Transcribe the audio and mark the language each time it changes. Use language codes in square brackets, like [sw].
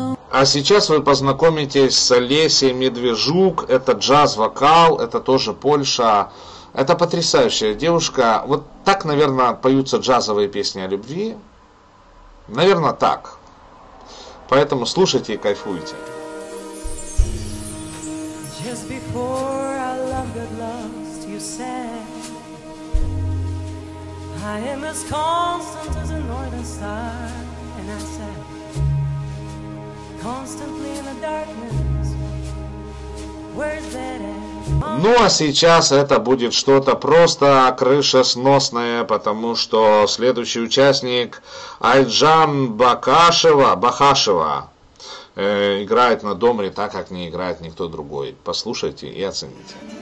[ru] А сейчас вы познакомитесь с Олесей Медвежук. Это джаз-вокал, это тоже Польша. Это потрясающая девушка. Вот так, наверное, поются джазовые песни о любви. Наверное, так. Поэтому слушайте и кайфуйте. [en] Just before our love got lost, you said, I am as constant as a northern star. And I said, constantly in the darkness, where's that at? [ru] Ну а сейчас это будет что-то просто крышесносное, потому что следующий участник — Айджан Бахашева, играет на домре так, как не играет никто другой. Послушайте и оцените.